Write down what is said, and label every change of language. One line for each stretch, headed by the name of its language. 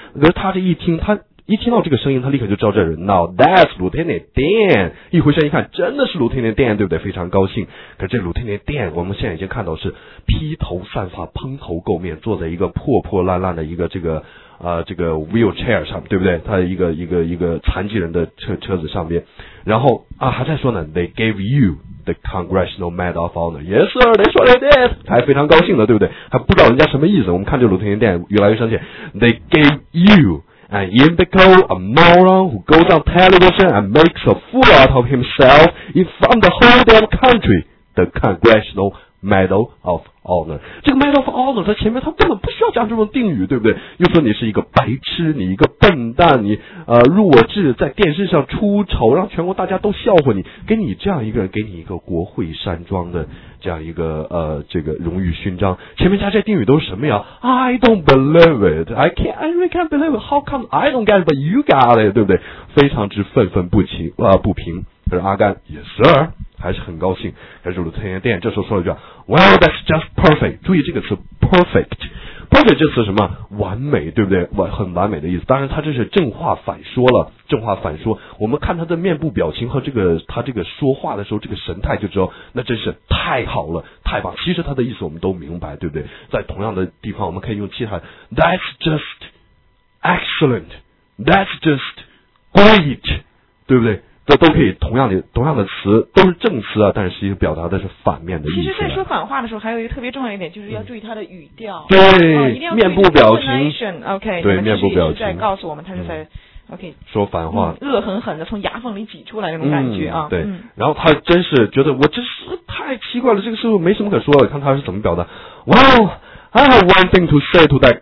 Chinese: 可是他这一听，他一听到这个声音，他立刻就知道这人
English: Now that's Lieutenant Dan。
Chinese: 一回身一看，真的是 Lieutenant Dan， 对不对？非常高兴。可是这 Lieutenant Dan 我们现在已经看到是披头散发蓬头垢面，坐在一个破破烂烂的一个这个 wheelchair 上，对不对？他一个残疾人的车子上面。然后还在说呢，
English: They gave you the Congressional Medal of Honor。 Yes sir， they sure did，
Chinese: 他还非常高兴的，对不对？还不知道人家什么意思。我们看这 Lieutenant Dan 越来越生气，
English: They gave youAnd in the cold, a moron who goes on television and makes a fool out of himself in front of the whole damn country, the Congressional Medal of Honor.
Chinese: 这个 Medal of Honor 在前面他根本不需要讲这种定语，对不对？又说你是一个白痴，你一个笨蛋，你弱智，在电视上出丑，让全国大家都笑话你，给你这样一个人，给你一个国会山庄的这样一个这个荣誉勋章，前面加这定语都是什么呀？
English: I don't believe it， I really can't believe it， How come I don't get it but you got it，
Chinese: 对不对？非常之愤愤不平不平。可是阿甘
English: Yes sir，
Chinese: 还是很高兴。可是 Lieutenant Dan 这时候说了一句
English: Well that's just perfect，
Chinese: 注意这个词 perfect， perfect 这词什么完美，对不对？很完美的意思。当然他这是正话反说了，正话反说，我们看他的面部表情和这个他这个说话的时候这个神态就知道，那真是太好了，太棒。其实他的意思我们都明白，对不对？在同样的地方我们可以用其他
English: That's just excellent, That's just great,
Chinese: 对不对？这都可以同样的词都是正词啊，但是其实表达的是反面的意思。其实在说反话的时候还有一个特别重要一点，就是要注意它的语调。嗯、对、哦、一定要注意面部表情。 Okay, 对面部表情。在告诉我们他是在、嗯、okay, 说反话、嗯。恶狠狠的从牙缝里挤出来那种感觉、嗯、啊。对、嗯。然后他真是觉得我真是太奇怪了，这个时候没什么可说的，看他是怎么表达。
English: Wow, I have one thing to say to that.